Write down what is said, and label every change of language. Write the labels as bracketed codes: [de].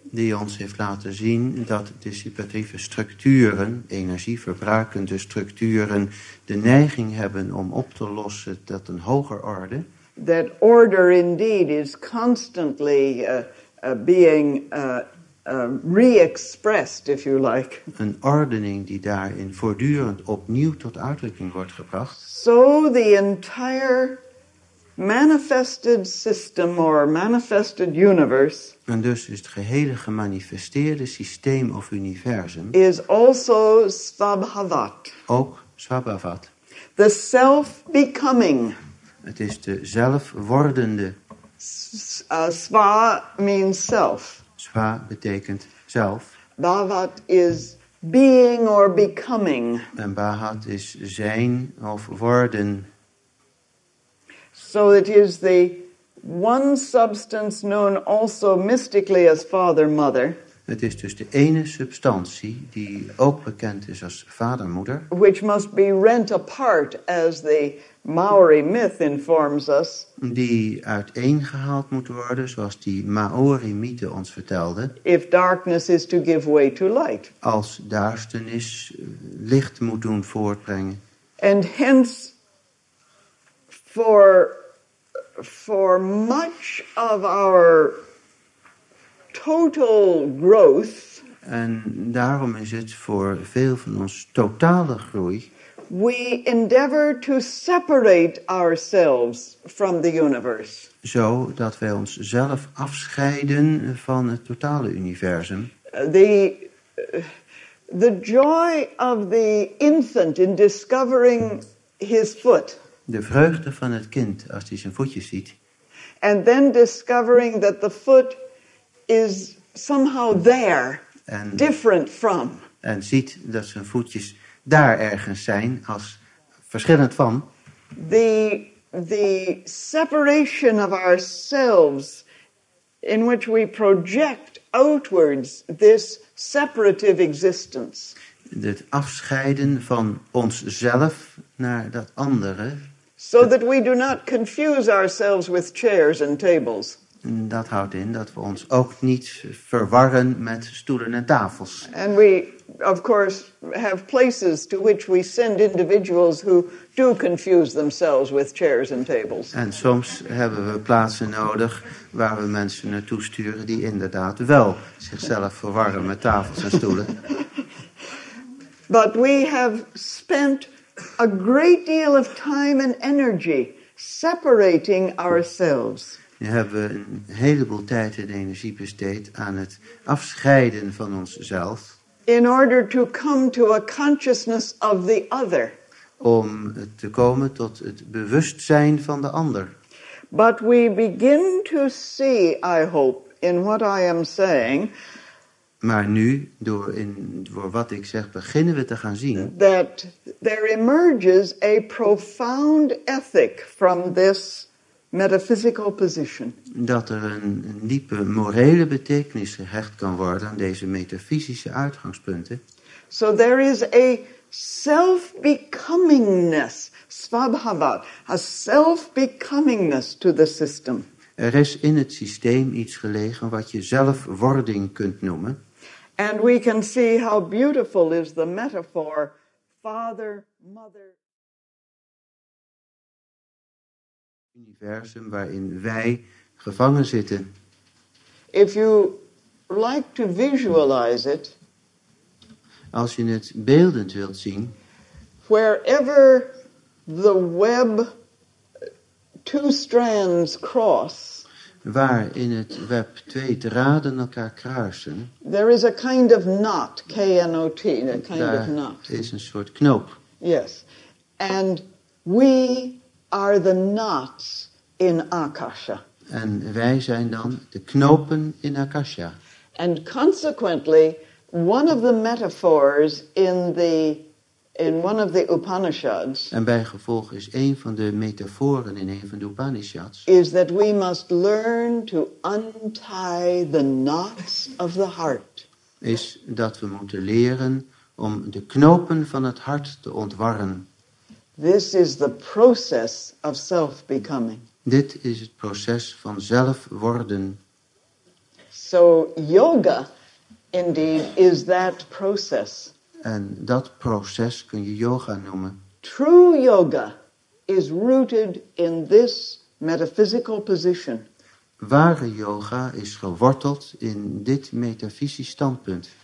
[nl] Die ons heeft laten zien dat dissipatieve structuren, energieverbruikende structuren, de neiging hebben om op te lossen tot een hoger orde. [en] That order indeed is constantly being re-expressed, if you like. [nl] Een ordening die daarin voortdurend opnieuw tot uitdrukking wordt gebracht. [en] So the entire manifested system or manifested universe. [nl] En dus is het gehele gemanifesteerde systeem of universum. [en] Is also svabhavat. [nl] Ook svabhavat. [en] The self-becoming. [nl] Het is de zelfwordende. [en] Sva means self. [nl] Sva betekent zelf. [en] Bhavat is being or becoming. [nl] En bhavat is zijn of worden. [en] So it is the one substance known also mystically as father, mother. [nl] Het is dus de ene substantie die ook bekend is als vader, moeder. [en] Which must be rent apart as the Maori myth informs us. [nl] Die uiteengehaald moet worden zoals die Maori mythe ons vertelde. [en] If darkness is to give way to light. [nl] Als duisternis licht moet doen voortbrengen. [en] And hence for much of our total growth. [nl] En daarom is het voor veel van ons totale groei. [en] We endeavor to separate ourselves from the universe. [nl] Zo dat wij ons zelf afscheiden van het totale universum. [en] The joy of the infant in discovering his foot. [nl] De vreugde van het kind als hij zijn voetje ziet. [en] And then discovering that the foot is somehow there, different from. [nl] En ziet dat zijn voetjes daar ergens zijn als verschillend van. [en] The separation of ourselves in which we project outwards this separative existence. [nl] Het afscheiden van onszelf naar dat andere. [en] So that we do not confuse ourselves with chairs and tables. [nl] Dat houdt in dat we ons ook niet verwarren met stoelen en tafels. [en] And we, of course, have places to which we send individuals who do confuse themselves with chairs and tables. [nl] En soms hebben we plaatsen nodig waar we mensen naartoe sturen die inderdaad wel zichzelf verwarren met tafels en stoelen. [en] But we have spent a great deal of time and energy separating ourselves. [nl] We hebben een heleboel tijd en energie besteed aan het afscheiden van onszelf. [en] In order to come to a consciousness of the other. [nl] Om te komen tot het bewustzijn van de ander. [en] But we begin to see, I hope, in what I am saying. [nl] Maar nu, door wat ik zeg, beginnen we te gaan zien. [en] That there emerges a profound ethic from this metaphysical position. [nl] Dat er een diepe morele betekenis gehecht kan worden aan deze metafysische uitgangspunten. [en] So there is a self-becomingness, svabhavat, a self-becomingness to the system. [nl] Er is in het systeem iets gelegen wat je zelfwording kunt noemen. [en] And we can see how beautiful is the metaphor, father, mother. [nl] Universum waarin wij gevangen zitten. [en] If you like to visualize it. [nl] Als je het beeldend wilt zien. [en] Wherever the web two strands cross. [nl] Waar in het web twee draden elkaar kruisen. [en] There is a kind of knot, K-N-O-T, a kind of knot. [nl] Is een soort knoop. [en] Yes. And we are the knots in Akasha. [nl] En wij zijn dan de knopen in Akasha. [en] And consequently, one of the metaphors in one of the Upanishads. [nl] En bij gevolg is een van de metaforen in een van de Upanishads. [en] Is that we must learn to untie the knots of the heart. [nl] Is dat we moeten leren om de knopen van het hart te ontwarren. [en] This is the process of self-becoming. [nl] Dit is het proces van zelfworden. [en] So yoga, indeed, is that process. [nl] En dat proces kun je yoga noemen. [en] True yoga is rooted in this metaphysical position. [nl] Ware yoga is geworteld in dit metafysisch standpunt.